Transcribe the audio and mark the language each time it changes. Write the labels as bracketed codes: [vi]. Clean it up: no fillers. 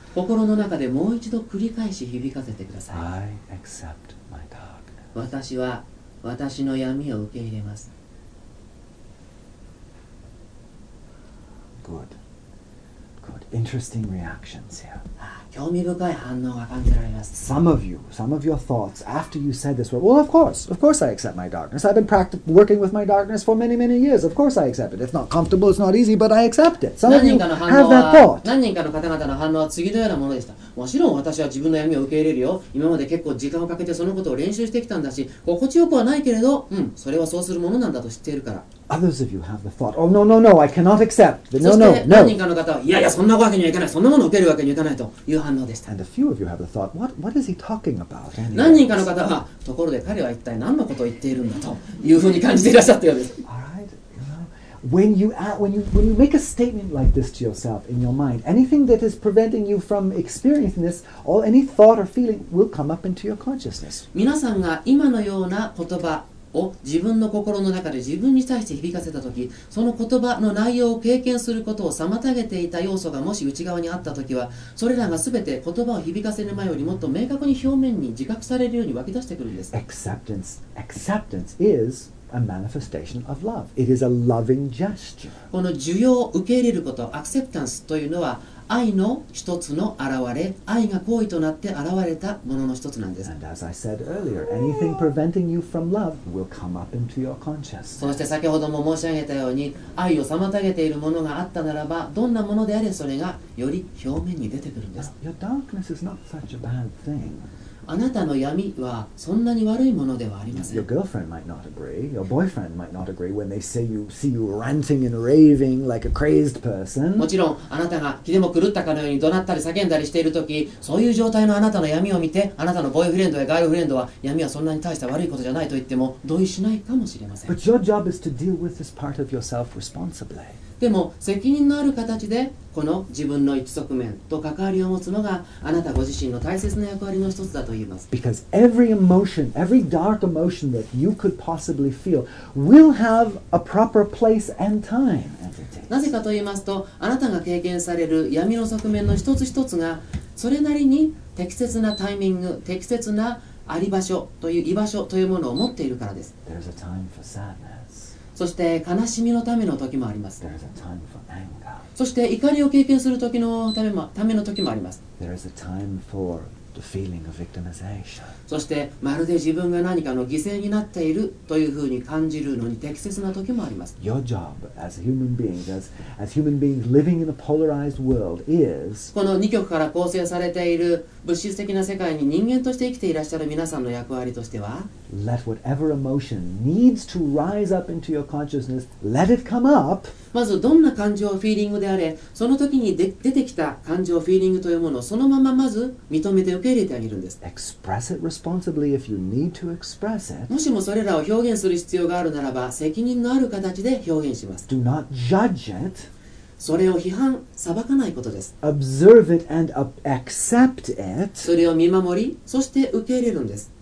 [ja] 心の中でもう一度繰り返し響かせてください。 [en] I accept my darkness. [ja] 私は私の闇を受け入れます。 [en] Good. Good. Interesting reactions here. [ja] 興味深い反応が感じられます。 [en] Some of your thoughts after you said this were, well, of course I accept my darkness. I've been working with my darkness for many, many years. Of course I accept it. It's not comfortable, it's not easy, but I accept it. Some of you have that thought. [ja] 何人かの方々の反応は次のようなものでした。もちろん私は自分の闇を受け入れるよ。今まで結構時間をかけてそのことを練習してきたんだし、心地よくはないけれど、うん、それはそうするものなんだと知っているから。 [en] Others of you have the thought, oh no, no, no, I cannot accept. No. [ja] 何人かの方は、いやいや、そんなわけにはいかない。そんなものを受けるわけにはいかないという反応でした。 [en] And a few of you have the thought, what is he talking about? [ja] 何人かの方は、ところで彼は一体何のことを言っているんだというふうに感じていらっしゃったようです。 [en] When you make a statement like this to yourself in your mind, anything that is preventing you from experiencing this, or any thought or feeling will come up into your consciousness. [ja] 皆さんが今のような言葉を自分の心の中で自分に対して響かせたとき、その言葉の内容を経験することを妨げていた要素がもし内側にあったときは、それらがすべて言葉を響かせる前よりもっと明確に表面に自覚されるように湧き出してくるんです。 [en] Acceptance is... A manifestation of love. It is a loving gesture. [ja] この受容、受け入れること、acceptance というのは愛の一つの現れ、愛が行為となって現れたものの一つなんです。 [en] And as I said earlier, anything preventing you from love will come up into your consciousness. [ja] そして先ほども申し上げたように、愛を妨げているものがあったならば、どんなものであれそれがより表面に出てくるんです。 [en] Your darkness is not such a bad thing. [ja] あなたの闇はそんなに悪いものではありません。 [en] Your girlfriend might not agree. Your boyfriend might not agree when they see you ranting and raving like a crazed person. [ja] もちろん、あなたが気でも狂ったかのように怒鳴ったり叫んだりしているとき、そういう状態のあなたの闇を見て、あなたのボーイフレンドやガールフレンドは闇はそんなに大した悪いことじゃないと言っても同意しないかもしれません。 [en] But your job is to deal with this part of yourself responsibly. [ja] でも責任のある形でこの自分の一側面と関わりを持つのがあなたご自身の大切な役割の一つだと言います。 [en] Because every emotion, every dark emotion that you could possibly feel will have a proper place and time. [ja] なぜかと言いますと、あなたが経験される闇の側面の一つ一つがそれなりに適切なタイミング、適切なあり場所という居場所というものを持っているからです。 [en] There's a time for sadness. [ja] そして悲しみのための時もあります。 [en] There is a time for anger. [ja] そして怒りを経験する時のための時もあります。 [en] There is a time for The feeling of victimization. [ja] そしてまるで自分が何かの犠牲になっているというふうに感じるのに適切な時もあります。 [en] Your job as a human being, as human beings living in a polarized world, is [ja] この二極から構成されている物質的な世界に人間として生きていらっしゃる皆さんの役割としては、 [en] Let whatever emotion needs to rise up into your consciousness, let it come up。 [ja] まずどんな感情、フィーリングであれ、その時に出てきた感情、フィーリングというものをそのまままず認めて受け入れてあげるんです。 [en] Express it responsibly if you need to express it. [ja] もしもそれらを表現する必要があるならば、責任のある形で表現します。 [en] Do not judge it. [ja] それを批判、裁かないことです。 [en] Observe it and accept it. [ja] それを見守り、そして受け入れるんです。